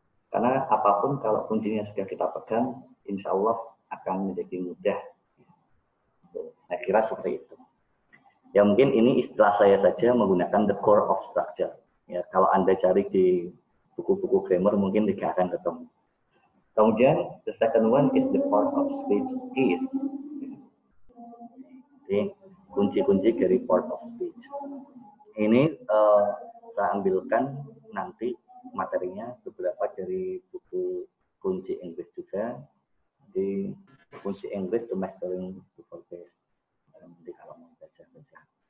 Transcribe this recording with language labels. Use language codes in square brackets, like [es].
[id] Karena apapun kalau kuncinya sudah kita pegang, insya Allah akan menjadi mudah. Saya kira seperti itu. Ya, mungkin ini istilah saya saja menggunakan [en] the core of structure. [id] Ya, kalau Anda cari di buku-buku grammar mungkin tidak akan ketemu. Kemudian, [en] the second one is the part of speech is. [id] Ini kunci-kunci dari part of speech. Ini kita ambilkan nanti materinya beberapa dari buku kunci Inggris juga, di kunci Inggris [en] to mastering the context [id] di kalau mau belajar bahasa.